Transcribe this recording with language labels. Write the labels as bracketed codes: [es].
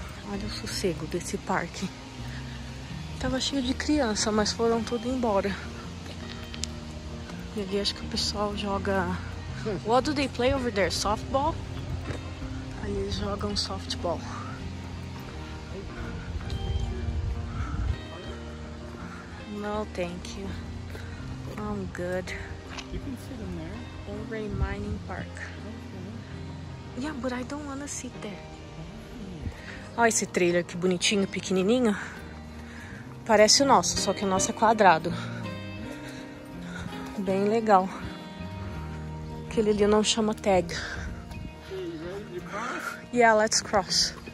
[pt] Olha o sossego desse parque. Tava cheio de criança, mas foram tudo embora. E ali acho que o pessoal joga... [en] What do they play over there? [pt] Softball? Ali eles jogam softball. [en] No, thank you. I'm good. You can sit in there. Ouray Mining Park. Yeah, but I don't wanna sit there. [pt] Olha esse trailer, que bonitinho, pequenininho. Parece o nosso, só que o nosso é quadrado. Bem legal. Ok. aquele ali não chama tag. [en] Yeah, let's cross.